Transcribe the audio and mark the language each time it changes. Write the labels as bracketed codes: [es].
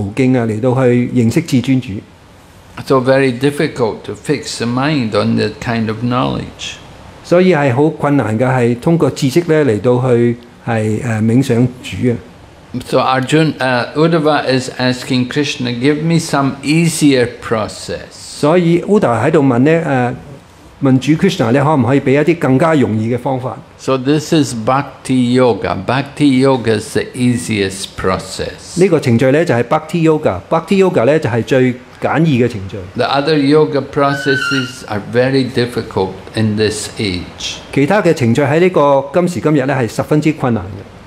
[zh] 就是通過知識的途徑來認識至尊主。 [en] So very difficult to fix the mind on that kind of knowledge. [zh] 所以是很困難的,是通過知識來冥想主。 [en] So Arjuna, Uddhava is asking Krishna, give me some easier process. [zh] 所以Uddhava在問呢, 問主Krishna,可不可以給一些更加容易的方法? [en] So this is Bhakti Yoga. Bhakti Yoga is the easiest process. [zh] 這個程序就是Bhakti Yoga. Bhakti Yoga就是最簡易的程序。 [en] The other yoga processes are very difficult in this age. [zh] 其他的程序在今時今日是十分困難的。